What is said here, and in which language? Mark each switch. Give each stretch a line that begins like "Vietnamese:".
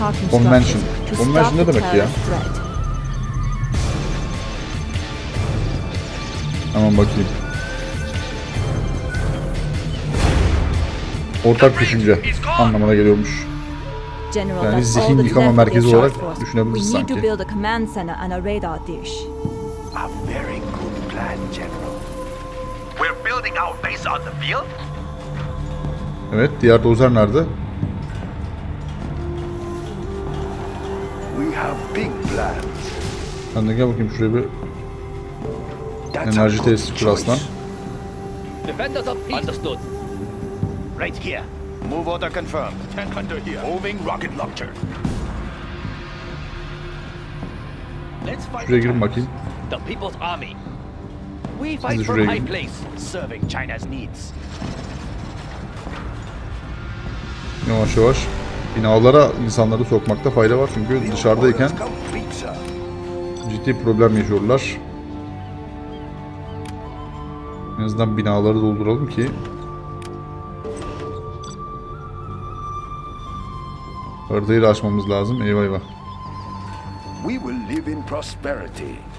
Turkish: Convention. Convention ne demek ya? Hemen bakayım. Ortak düşünce anlamına geliyormuş. Yani zihin yıkama merkezi olarak düşünebiliriz sanki.
English: We need to command center and a radar dish. A very good plan, General. We're building our base on the field.
Turkish: Evet, diğer dozer nerede?
English: We have big plans.
Turkish: Ben de gel bakayım şuraya bir enerji tesisi kur aslan.
English: Defenders of peace. Understood. Right here. Move order confirmed. Tank hunter here. Moving rocket launcher. Let's fight.
Turkish: Şuraya girin bakayım.
English: The People's Army. We fight from high place, serving China's needs.
Turkish: Yavaş yavaş binalara insanları sokmakta fayda var çünkü dışarıdayken ciddi problem yaşıyorlar. En azından binaları dolduralım ki haritayı da açmamız lazım. Eyvah eyvah.
English: We will live in prosperity.